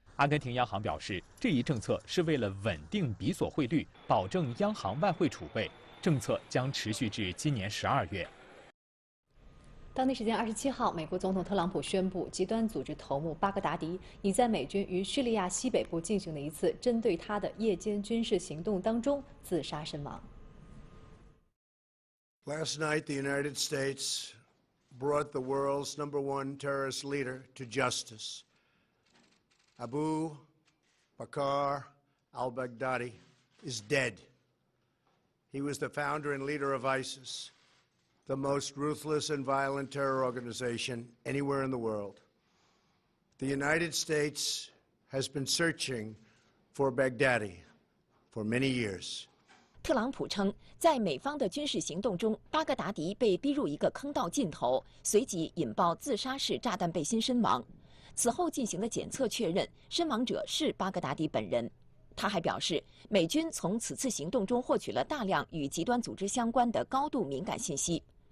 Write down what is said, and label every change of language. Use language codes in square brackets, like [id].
[zh] 阿根廷央行表示，这一政策是为了稳定比索汇率，保证央行外汇储备，政策将持续至今年12月。当地时间27号，美国总统特朗普宣布，极端组织头目巴格达迪已在美军于叙利亚西北部进行的一次针对他的夜间军事行动当中自杀身亡。 [en] Last night, the United States brought the world's number one terrorist leader to justice. Abu Bakr al-Baghdadi is dead. He was the founder and leader of ISIS. The most ruthless and violent terror organization anywhere in the world. The United States has been searching for Baghdadi for many years. [zh] 特朗普称，在美方的军事行动中，巴格达迪被逼入一个坑道尽头，随即引爆自杀式炸弹背心身亡。此后进行的检测确认，身亡者是巴格达迪本人。他还表示，美军从此次行动中获取了大量与极端组织相关的高度敏感信息。